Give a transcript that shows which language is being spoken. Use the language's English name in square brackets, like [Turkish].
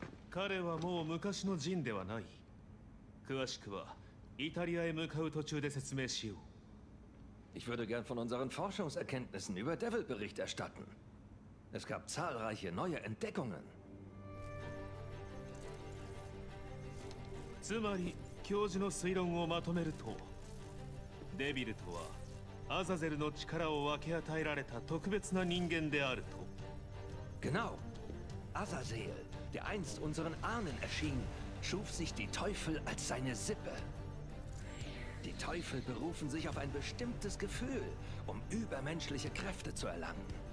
[Japanese] 彼はもう昔のジンではない。詳しくはイタリアへ向かう途中で説明しよう。 [German] Ich würde gern von unseren Forschungserkenntnissen über Devil Bericht erstatten. Es gab zahlreiche neue Entdeckungen. [Japanese] つまり、教授の推論をまとめると、デビルとはアザゼルの力を分け与えられた特別な人間であると。 [German] Genau. Azazel, der einst unseren Ahnen erschien, schuf sich die Teufel als seine Sippe. Die Teufel berufen sich auf ein bestimmtes Gefühl, um übermenschliche Kräfte zu erlangen.